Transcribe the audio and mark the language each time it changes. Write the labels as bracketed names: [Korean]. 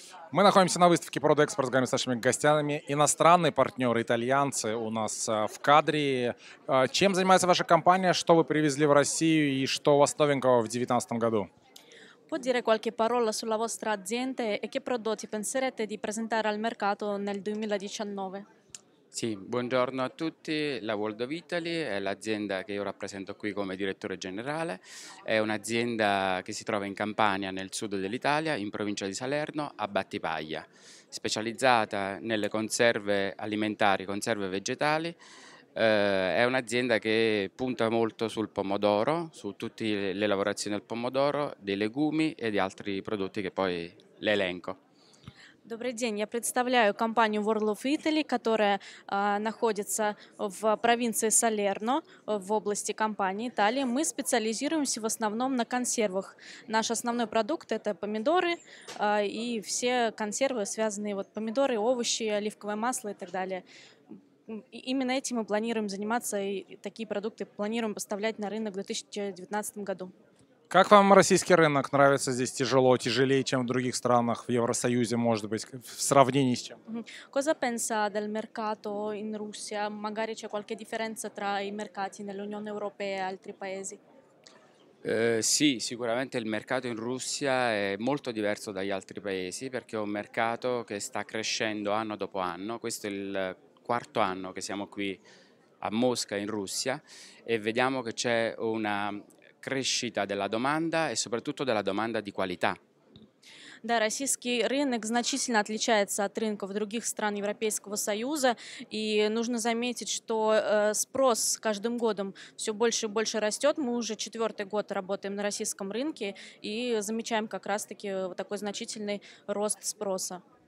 [Russian] Мы находимся на выставке «Продэкспорт» с нашими гостями. Иностранные партнеры, итальянцы у нас в кадре. Чем занимается ваша компания? Что вы привезли в Россию и что у вас новенького в 2019 году? [Italian] Può dire qualche parola sulla vostra azienda e che prodotti penserete di presentare al mercato nel 2019? Sì, buongiorno a tutti. La World of Italy è l'azienda che io rappresento qui come direttore generale. È un'azienda che si trova in Campania, nel sud dell'Italia, in provincia di Salerno, a Battipaglia, specializzata nelle conserve alimentari, conserve vegetali. È un'azienda che punta molto sul pomodoro, su tutte le lavorazioni del pomodoro, dei legumi e di altri prodotti che poi l'elenco. [Russian] Добрый день, я представляю компанию World of Italy, которая находится в провинции Салерно, в области Кампании, Италии. Мы специализируемся в основном на консервах. Наш основной продукт – это помидоры и все консервы, связанные вот помидоры, овощи, оливковое масло и так далее. И именно этим мы планируем заниматься, и такие продукты планируем поставлять на рынок в 2019 году. Как вам российский рынок? Нравится здесь тяжело, тяжелее, чем в других странах, в Евросоюзе, может быть, в сравнении с чем? [Italian] Cosa pensa del mercato in Russia? Magari c'è qualche differenza tra i mercati nell'Unione Europea e altri paesi? Sì, sicuramente il mercato in Russia è molto diverso dagli altri paesi, perché è un mercato che sta crescendo anno dopo anno. Questo è il quarto anno che siamo qui a Mosca, in Russia, e vediamo che c'è una crescita della domanda e soprattutto della domanda di qualità. [Russian] Да, российский рынок значительно отличается от рынков других стран Европейского Союза, и нужно заметить, что спрос с каждым годом все больше и больше растет. Мы уже четвертый год работаем на российском рынке и замечаем как раз-таки вот такой значительный рост спроса.